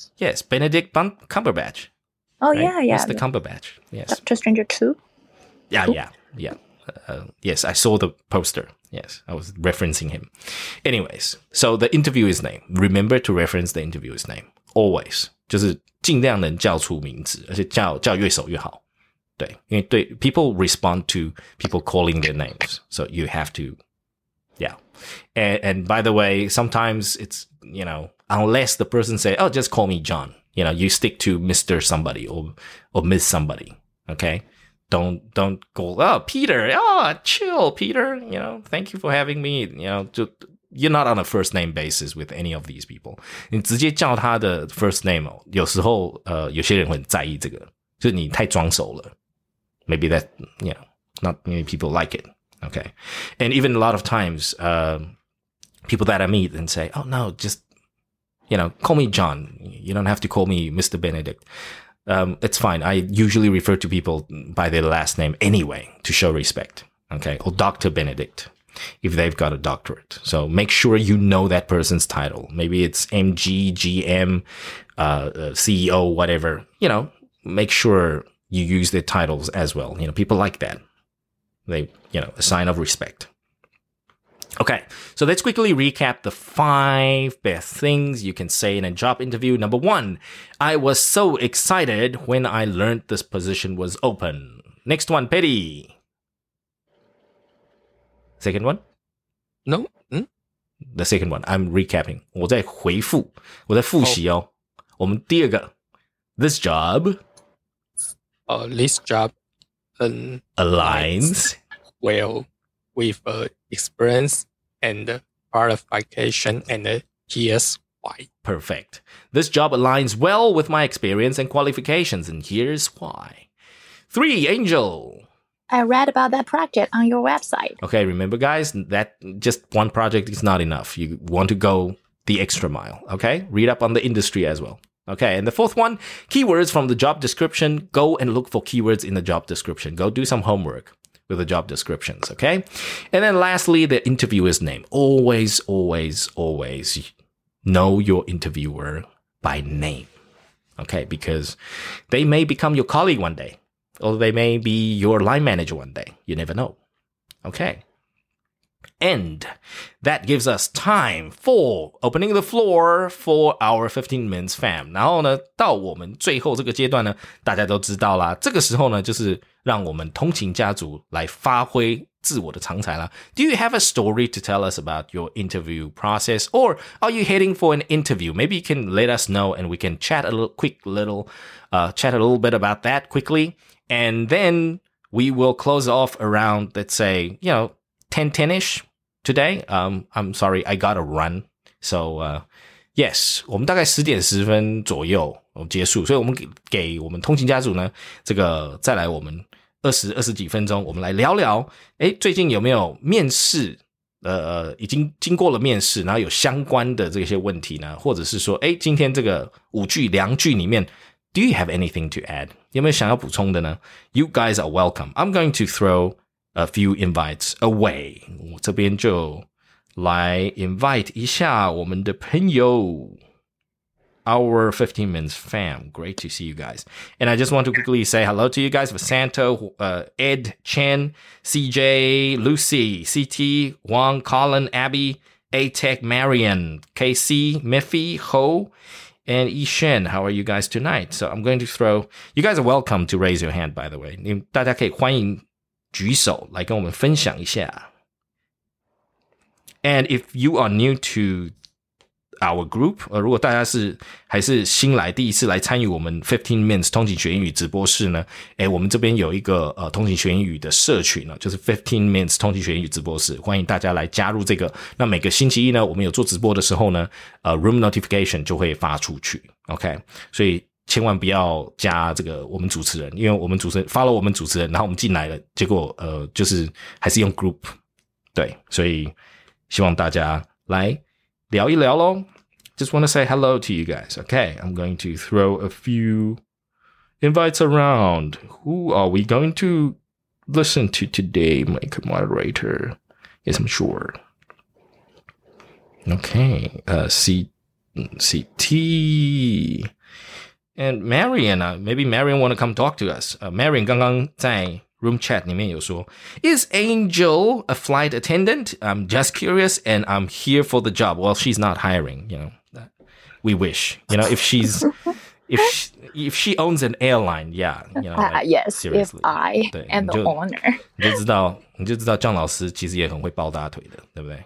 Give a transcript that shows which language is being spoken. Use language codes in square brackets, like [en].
[en] Yes, Benedict Cumberbatch. Oh, right? Yeah. It's the Cumberbatch. Yes. Doctor Stranger 2? Yeah. Yes, I saw the poster. Yes, I was referencing him. Anyways, so the interviewer's name. Remember to reference the interviewer's name. Always. [zh] 就是尽量能叫出名字，而且叫越熟越好。对，因为对 [en] people respond to people calling their names. So you have to, yeah. And by the way, sometimes it's, you know, unless the person say, oh, just call me John. You know, you stick to Mr. Somebody or Miss Somebody, okay? Don't go, oh, Peter, oh, chill, Peter, you know, thank you for having me. You know, you're not on a first name basis with any of these people. [zh] 你直接叫他的 [en] first name, [zh] 有时候有些人会很在意这个,就是你太装熟了。 [en] Maybe that, you know, not many people like it, okay? And even a lot of times, people that I meet and say, oh, no, just, you know, call me John. You don't have to call me Mr. Benedict. It's fine. I usually refer to people by their last name anyway to show respect. Okay. Or Dr. Benedict, if they've got a doctorate. So make sure you know that person's title. Maybe it's MG, GM, CEO, whatever. You know, make sure you use their titles as well. You know, people like that. They, you know, a sign of respect. Okay, so let's quickly recap the five best things you can say in a job interview. Number one, I was so excited when I learned this position was open. Next one, Petty. Second one? No. The second one, I'm recapping. [zh] 我在回复,我在复习哦。我们第二个, [en] this job. This job aligns well with experience. And qualification and years why. Perfect. This job aligns well with my experience and qualifications, and here's why. 3, Angel. I read about that project on your website. Okay, remember, guys, that just one project is not enough. You want to go the extra mile, okay? Read up on the industry as well. Okay, and the 4th one, keywords from the job description. Go and look for keywords in the job description. Go do some homework with the job descriptions, okay? And then lastly, the interviewer's name. Always, always, always know your interviewer by name, okay? Because they may become your colleague one day, or they may be your line manager one day. You never know, okay? And that gives us time for opening the floor for our 15 minutes fam. [zh] 然后呢，到我们最后这个阶段呢，大家都知道啦，这个时候呢，就是让我们通勤家族来发挥自我的长才啦。 [en] Do you have a story to tell us about your interview process? Or are you heading for an interview? Maybe you can let us know and we can chat a little bit about that quickly. And then we will close off around, let's say, you know, 10-10-ish today. I'm sorry, I got to run. So, yes, [zh] 我们大概10点10分左右结束，所以我们 给我们通勤家族呢，这个再来我们20几分钟，我们来聊聊，诶，最近有没有面试，已经经过了面试，然后有相关的这些问题呢，或者是说，诶，今天这个5句2句里面， [en] Do you have anything to add? [zh] 有没有想要补充的呢？ [en] You guys are welcome. I'm going to throw... A few invites away. [zh] 我这边就来 invite 一下我们的朋友 Our 15 Minutes fam. [en] Great to see you guys. And I just want to quickly say hello to you guys. Vasanto, Ed, Chen, CJ, Lucy, CT, Wang, Colin, Abby, A-Tech, Marion, KC, Miffy, Ho, and Yishen. How are you guys tonight? So I'm going to throw... You guys are welcome to raise your hand, by the way. [zh] 大家可以欢迎举手来跟我们分享一下。 [en] And if you are new to our group, [zh] 如果大家是还是新来第一次来参与我们15 Minutes 通勤学英语直播室呢，诶，我们这边有一个通勤学英语的社群呢，就是15 Minutes 通勤学英语直播室，欢迎大家来加入这个。那每个星期一呢，我们有做直播的时候呢，room notification 就会发出去。 OK, 所以千万不要加这个我们主持人，因为我们主持人 follow 我们主持人，然后我们进来了，结果就是还是用 group, 对，所以希望大家来聊一聊咯。 [en] Just want to say hello to you guys. Okay, I'm going to throw a few invites around. Who are we going to listen to today, my moderator? Yes, I'm sure. Okay, CT... And Marion, maybe Marion want to come talk to us. Marion [zh] 刚刚在 room chat 里面有说 [en] Is Angel a flight attendant? I'm just curious and I'm here for the job. Well, she's not hiring, you know. We wish, you know, if she owns an airline, yeah. You know, like, yes, seriously, if I am the owner. [zh] 你就知道姜老师其实也很会抱大腿的，对不对？